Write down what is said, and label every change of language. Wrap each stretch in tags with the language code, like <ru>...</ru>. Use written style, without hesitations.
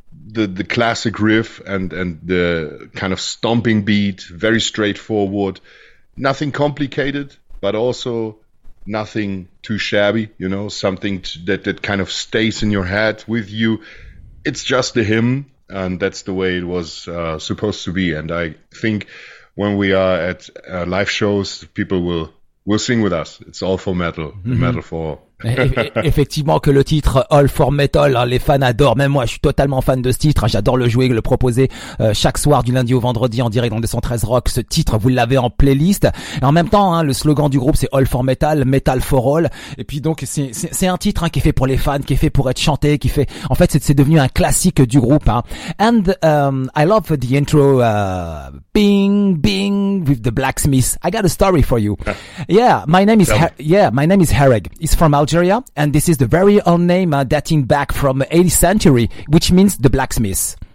<en>The classic riff and the kind of stomping beat, very straightforward, nothing complicated, but also nothing too shabby, you know, something that kind of stays in your head with you. It's just a hymn, and that's the way it was supposed to be. And I think when we are at live shows, people will sing with us. It's All for Metal, mm-hmm. Metal for All.</en> <fr>Effectivement que le titre All for Metal, hein, les fans adorent, même moi je suis totalement fan de ce titre, hein, j'adore le jouer, le proposer chaque soir du lundi au vendredi en direct dans 213 Rock. Ce titre vous l'avez en playlist, et en même temps, hein, le slogan du groupe c'est All for Metal, Metal for All, et puis donc c'est un titre, hein, qui est fait pour les fans, qui est fait pour être chanté, qui fait, en fait c'est devenu un classique du groupe, hein.</fr> <en>And I love the intro, bing bing with the blacksmith. I got a story for you. My name is Herreg. It's from Algeria, and this is the very old name dating back from 8th century, which means the blacksmith.</en>